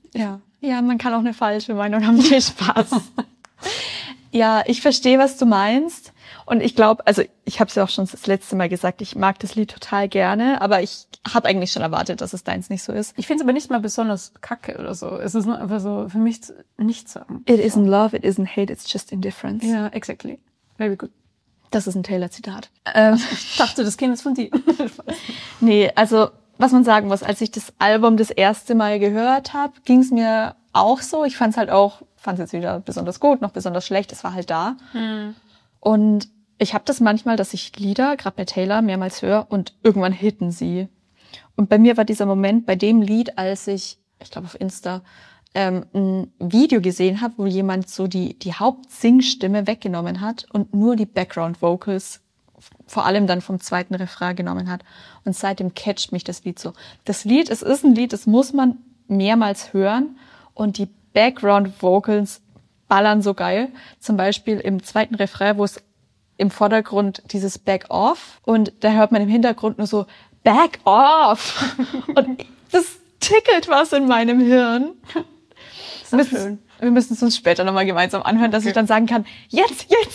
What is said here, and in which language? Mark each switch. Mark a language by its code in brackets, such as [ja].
[de] Ja, ja, man kann auch eine falsche Meinung haben. Viel Spaß. Ja, ich verstehe, was du meinst. Und ich glaube, also ich habe es ja auch schon das letzte Mal gesagt, ich mag das Lied total gerne, aber ich habe eigentlich schon erwartet, dass es deins nicht so ist. Ich finde es aber nicht mal besonders kacke oder so. Es ist nur einfach so für mich nicht so. [en] It isn't love, it isn't hate, it's just indifference. Ja, exactly. Very good. [de] Das ist ein Taylor-Zitat. Ich dachte, das käme jetzt von dir. Nee, also was man sagen muss, als ich das Album das erste Mal gehört habe, ging es mir auch so. Ich fand es halt auch, fand es jetzt weder besonders gut noch besonders schlecht. Es war halt da. Und ich habe das manchmal, dass ich Lieder, gerade bei Taylor, mehrmals höre und irgendwann hitten sie. Und bei mir war dieser Moment bei dem Lied, als ich glaube auf Insta, ein Video gesehen habe, wo jemand so die Hauptsingstimme weggenommen hat und nur die Background-Vocals vor allem dann vom zweiten Refrain genommen hat. Und seitdem catcht mich das Lied so. Das Lied, es ist ein Lied, das muss man mehrmals hören und die Background-Vocals ballern so geil. Zum Beispiel im zweiten Refrain, wo es im Vordergrund dieses Back Off und da hört man im Hintergrund nur so Back Off. Und das tickelt was in meinem Hirn. Ist das schön. Wir müssen es uns später nochmal gemeinsam anhören, okay. Dass ich dann sagen kann, jetzt.